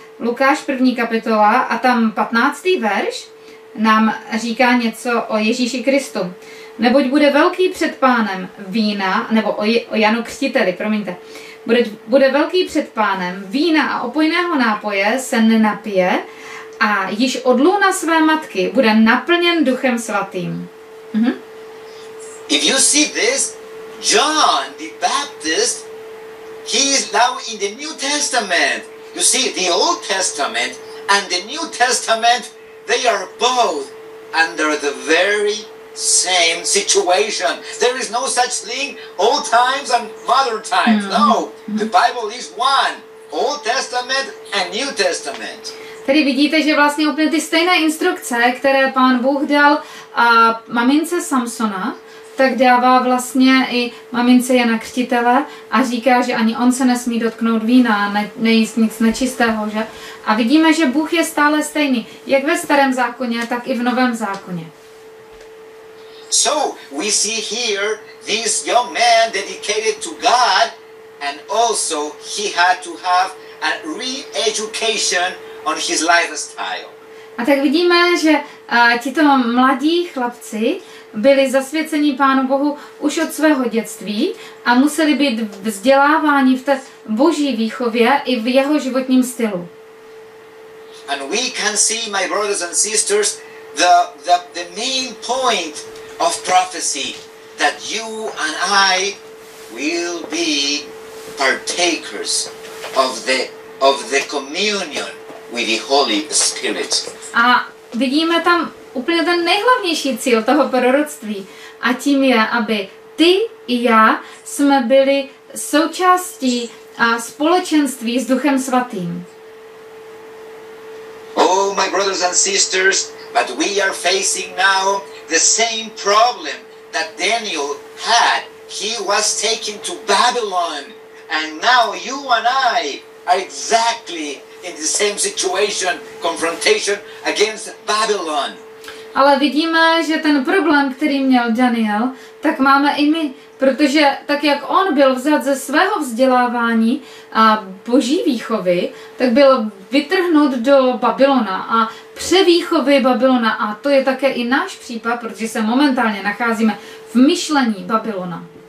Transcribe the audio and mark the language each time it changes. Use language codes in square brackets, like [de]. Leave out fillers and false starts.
[cs] Lukáš první kapitola a tam 15. verš nám říká něco o Ježíši Kristu. Neboť bude velký před Pánem vína, nebo o Janu Křtiteli, promiňte. Bude velký před Pánem vína a opojného nápoje se nenapije a již od lůna své matky bude naplněn Duchem Svatým. Mhm. [en] If you see this, John the Baptist, he is now in the New Testament. You see, the Old Testament and the New Testament, they are both under the very same situation. There is no such thing, old times and modern times. No, the Bible is one, Old Testament and New Testament. [cs] Tady vidíte, že vlastně úplně ty stejné instrukce, které Pán Bůh dal mamince Samsona, tak dává vlastně i mamince Jana Křtitele a říká, že ani on se nesmí dotknout vína, nejíst nic nečistého, že? A vidíme, že Bůh je stále stejný, jak ve Starém zákoně, tak i v Novém zákoně. [en] So, we see here this young man dedicated to God and also he had to have a re-education on his lifestyle. [cs] A tak vidíme, že tito mladí chlapci byli zasvěceni Pánu Bohu už od svého dětství a museli být vzděláváni v té boží výchově i v jeho životním stylu. [en] And we can see, my brothers and sisters, the main point of prophecy, that you and I will be partakers of the communion with the Holy Spirit. [cs] A vidíme tam úplně ten nejhlavnější cíl toho proroctví, a tím je, aby ty i já jsme byli součástí a společenství s Duchem Svatým. [en] Oh, my brothers and sisters, but we are facing now the same problem that Daniel had. He was taken to Babylon, and now you and I are exactly in the same situation, confrontation against Babylon. [cs] Ale vidíme, že ten problém, který měl Daniel, tak máme i my. Protože tak, jak on byl vzat ze svého vzdělávání a boží výchovy, tak byl vytrhnut do Babylona a převýchovy Babylona. A to je také i náš případ, protože se momentálně nacházíme v myšlení Babylona.